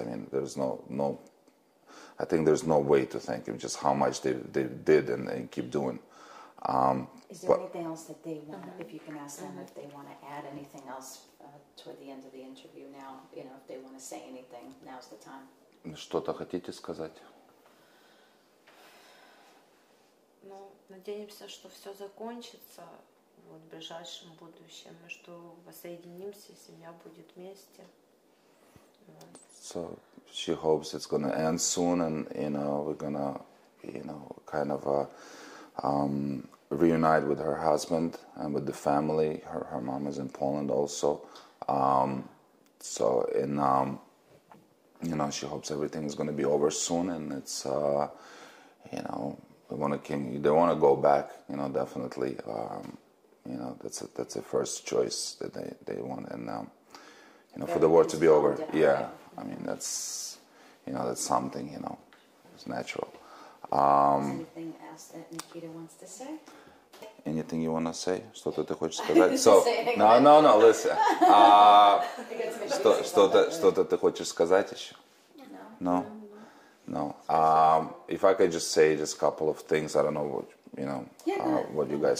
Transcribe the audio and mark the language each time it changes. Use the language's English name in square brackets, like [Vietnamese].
[English] I mean, there's no, I think there's no way to thank them, just how much they did and they keep doing. Anything else that they want, if you can ask them if they want to add anything else toward the end of the interview now, you know, if they want to say anything, now's the time. [Russian] Что-то хотите сказать? Ну, надеемся, что все закончится вот, в ближайшем будущем, и что воссоединимся, семья будет вместе. Вот. [English] So she hopes it's gonna end soon, and you know we're gonna, you know, kind of reunite with her husband and with the family. Her mom is in Poland also. You know, she hopes everything is gonna be over soon, and it's you know. They want to go back, you know, definitely. You know, that's a first choice that they want. And, you know, for the war to be over, yeah. I mean, that's, you know, that's something, you know, it's natural. Anything else that Nikita wants to say? Anything you want to say? [Russian] Что-то ты хочешь сказать? [English] No, listen. [Russian] Что-то ты хочешь сказать еще? [English] No. No. If I could just say just a couple of things, I don't know what you know. What you guys.